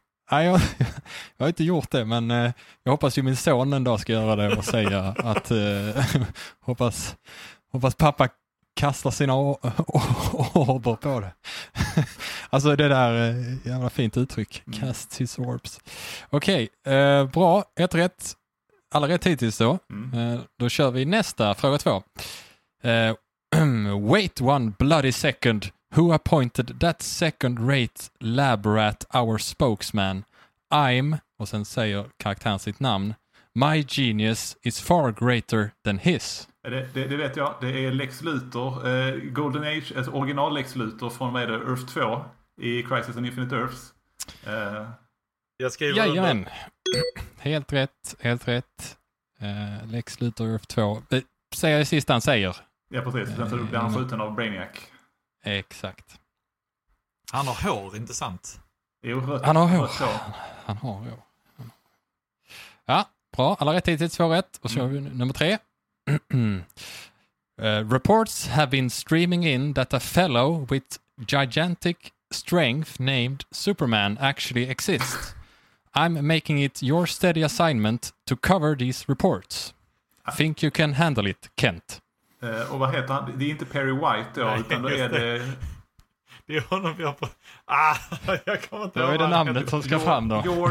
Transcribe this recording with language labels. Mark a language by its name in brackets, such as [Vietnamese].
[Swedish] Nej, jag har inte gjort det, men jag hoppas ju min son en dag ska göra det och säga att hoppas pappa kastar sina orbor på det. Alltså det där jävla fint uttryck, [English] cast his orbs. [Swedish] Okej, bra, ett rätt, alla rätt hittills då. Då kör vi nästa, fråga två. [English] Wait one bloody second. Who appointed that second-rate lab rat our spokesman? I'm, [Swedish] och sen säger karaktären sitt namn, [English] my genius is far greater than his. [Swedish] Det vet jag. Det är Lex Luthor. Golden Age, ett original Lex Luthor från, vad är det, Earth 2 i Crisis on Infinite Earths. Jag skriver under. Jajamän. Helt rätt, helt rätt. Lex Luthor, Earth 2. Säger det sista han säger. Ja, precis. Sen så blir han skjuten av Brainiac. Exakt. Han har hår, inte sant? Jo, han har hår. Han har hår. Ja, bra. Alla rätt hittills, 2-1. Och så har vi nummer 3. [English] Reports have been streaming in that a fellow with gigantic strength named Superman actually exists. I'm making it your steady assignment to cover these reports. Think you can handle it, Kent. [Swedish] Och vad heter han? Det är inte Perry White då, utan då är det... Det är honom vi har på... jag kommer inte ihåg. Vad är det namnet som ska fram då?